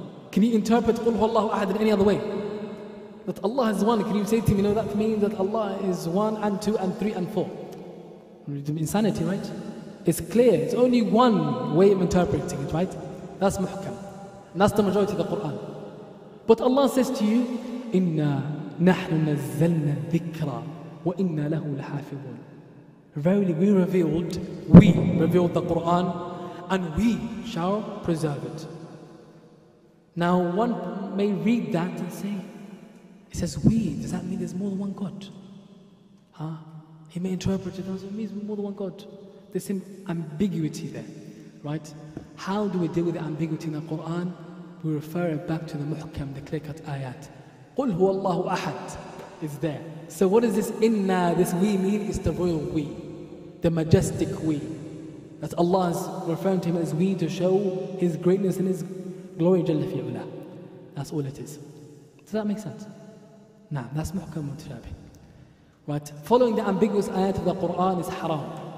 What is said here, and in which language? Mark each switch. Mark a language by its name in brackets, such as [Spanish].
[English] Can you interpret [Arabic] قُلْ هُوَ اللَّهُ أَحَدْ [English] in any other way? That Allah is one, can you say to me, no, that means that Allah is one and two and three and four. Insanity, right? It's clear, it's only one way of interpreting it, right? That's muhkam. And that's the majority of the Quran. But Allah says to you, [Arabic] إِنَّا نَحْنُ نَزَّلْنَا الذِّكْرَ وَإِنَّا لَهُ لَحَافِظُونَ. [English] Verily, we revealed the Quran, and we shall preserve it. Now, one may read that and say, it says we, does that mean there's more than one God? He may interpret it as it means more than one God. There's some ambiguity there. right? How do we deal with the ambiguity in the Quran? We refer it back to the muhkam, the clear-cut ayat. [Arabic] قُلْ هُوَ اللَّهُ أَحَدْ [English] is there. So what is this inna, this we mean? It's the royal we, the majestic we. That Allah is referring to him as we to show his greatness and his glory, [Arabic] جَلَّ فِي عُلَى. [English] That's all it is. Does that make sense? Na'am, that's muhkam mutashabih. Right, following the ambiguous ayat of the Quran is haram.